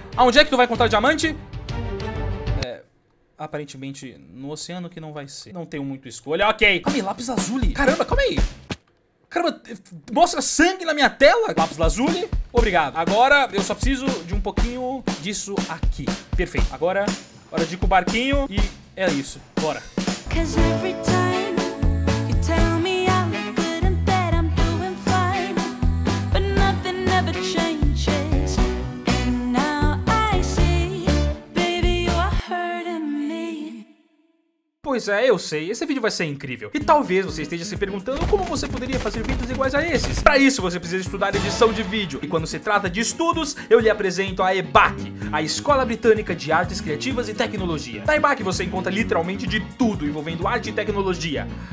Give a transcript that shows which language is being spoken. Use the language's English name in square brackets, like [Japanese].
[Portuguese] Aonde é que tu vai encontrar diamante? É, aparentemente no oceano que não vai ser. Não tenho muita escolha, ok. Calma aí, lápis lazuli. Caramba, calma aí. Caramba, mostra sangue na minha tela. Lápis lazuli, obrigado. Agora eu só preciso de um pouquinho disso aqui. Perfeito, agora hora de ir com o barquinho e é isso, bora. [English] Cause every time you tell me I'm good and bad, I'm doing fine, but nothing ever changes. And now I see, baby, you are hurting me. [Portuguese] Pois é, eu sei, esse vídeo vai ser incrível. E talvez você esteja se perguntando como você poderia fazer vídeos iguais a esses. Para isso, você precisa estudar edição de vídeo. E quando se trata de estudos, eu lhe apresento a EBAC, a Escola Britânica de Artes Criativas e Tecnologia. Na EBAC você encontra literalmente de tudo envolvendo arte e tecnologia.